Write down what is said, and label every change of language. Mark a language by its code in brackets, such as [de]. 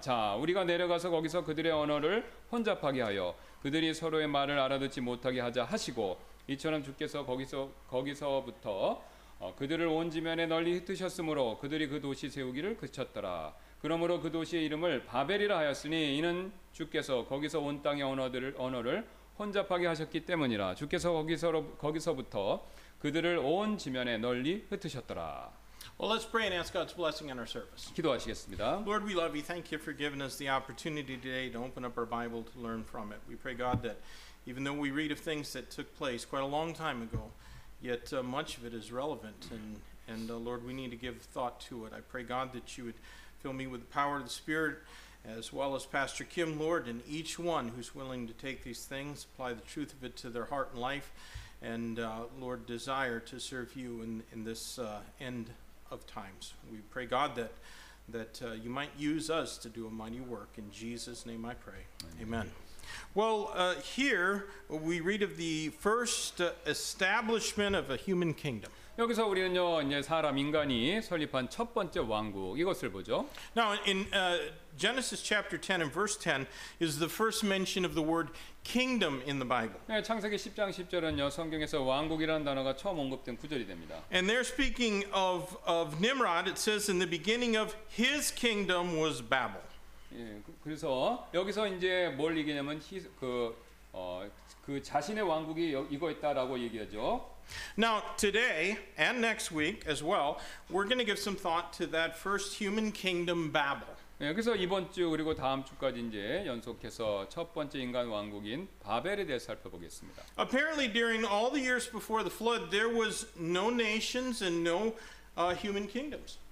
[ko] 자 우리가 내려가서 거기서 그들의 언어를 혼잡하게 하여 그들이 서로의 말을 알아듣지 못하게 하자 하시고 이처럼 주께서 거기서부터 그들을 온 지면에 널리 흩으셨으므로 그들이 그 도시 세우기를 그쳤더라. 그러므로 그 도시의 이름을 바벨이라 하였으니 이는 주께서 거기서 온 땅의 언어를 혼잡하게 하셨기 때문이라. 주께서 거기서부터 그들을 온 지면에 널리 흩으셨더라. [en] Well, let's pray and ask God's blessing on our service. [ko] 기도하시겠습니다. [en] Lord, we love you. Thank you for giving us the opportunity today to open up our Bible to learn from it. We pray, God, that even though we read of things that took place quite a long time ago, yet much of it is relevant, Lord, we need to give thought to it. I pray, God, that you would fill me with the power of the Spirit, as well as Pastor Kim, Lord, and each one who's willing to take these things, apply the truth of it to their heart and life, Lord, desire to serve you in this end of times. We pray, God, that you might use us to do a mighty work. In Jesus' name I pray. Amen. Amen. Well, here we read of the first establishment of a human kingdom. [ko] 여기서 우리는요, 이제 사람 인간이 설립한 첫 번째 왕국 이것을 보죠. [en] Now, in Genesis chapter 10 and verse 10 is the first mention of the word kingdom in the Bible. [ko] 네, 창세기 10장 10절은요, 성경에서 왕국이라는 단어가 처음 언급된 구절이 됩니다. [en] And they're speaking of Nimrod. It says, "In the beginning of his kingdom was Babel." [ko] 예, 그래서 여기서 이제 뭘 얘기냐면 그 자신의 왕국이 이거였다라고 얘기하죠. [en] Now today and next week as well, we're going to give some thought to that first human kingdom, Babel. [ko] 예, 그래서 이번 주 그리고 다음 주까지 이제 연속해서 첫 번째 인간 왕국인 바벨에 대해 살펴보겠습니다. [en] Apparently, during all the years before the flood, there was no nations and no human kingdoms.